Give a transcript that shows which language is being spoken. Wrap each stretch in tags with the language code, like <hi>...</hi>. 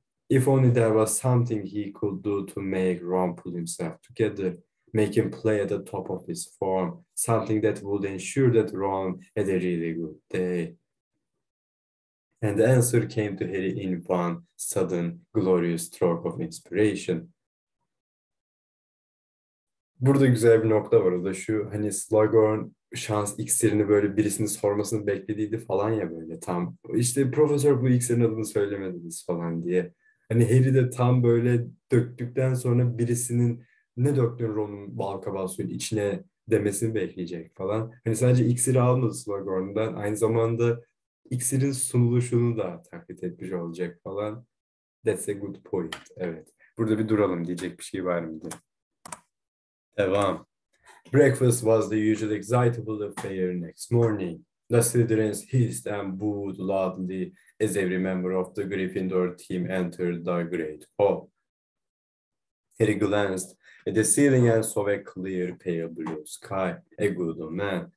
<en>If only there was something he could do to make Ron pull himself together, make him play at the top of his form, something that would ensure that Ron had a really good day. And the answer came to Harry in one sudden, glorious stroke of inspiration.</en> <tr>Burada güzel bir nokta var, o da şu, hani Slughorn şans iksirini böyle birisinin sormasını beklediydi falan ya, böyle tam işte profesör bu iksirin adını söylemediniz falan diye. Hani Harry de tam böyle döktükten sonra birisinin ne döktün Ron'un balkabağı suyun içine demesini bekleyecek falan. Hani sadece iksiri almadı Slughorn'dan, aynı zamanda iksirin sunuluşunu da taklit etmiş olacak falan.</tr> <en>That's a good point.</en> <tr>Evet. Burada bir duralım diyecek bir şey var mıydı? Devam.</tr> <en>Breakfast was the usual excitable affair next morning. The students hissed and booed loudly as every member of the Gryffindor team entered the Great Hall. Harry glanced at the ceiling and saw a clear pale blue sky. A good omen.</en>